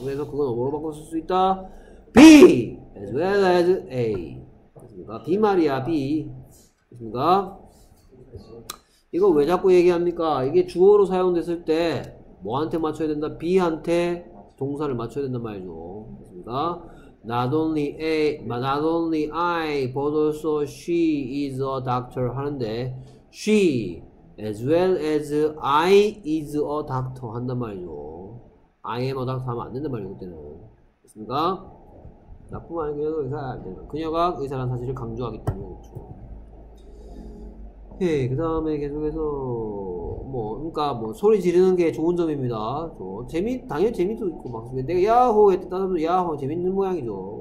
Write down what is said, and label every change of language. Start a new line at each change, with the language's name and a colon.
Korean: 그래서 그건 뭐로 바꿀 수 있다? B! As well as A. B 말이야, B. 그렇습니까? 이거 왜 자꾸 얘기합니까? 이게 주어로 사용됐을 때 뭐한테 맞춰야 된다? B한테 동사를 맞춰야 된단 말이죠. 그렇습니까?
English: Not only A, not only I, but also she is a doctor
Korean: 하는데
English: she as well as I is a doctor
Korean: 한단 말이죠.
English: I am a doctor
Korean: 하면 안 된단 말이죠. 그때는. 그렇습니까? 나쁘면 그녀도 의사야 안 된다. 그녀가 의사라는 사실을 강조하기 때문에 그렇죠. 예, 그 다음에 계속해서 뭐 그러니까 뭐 소리 지르는 게 좋은 점입니다. 저 재미 당연히 재미도 있고 막 내가 야호 했던 사람도 야호 재밌는 모양이죠.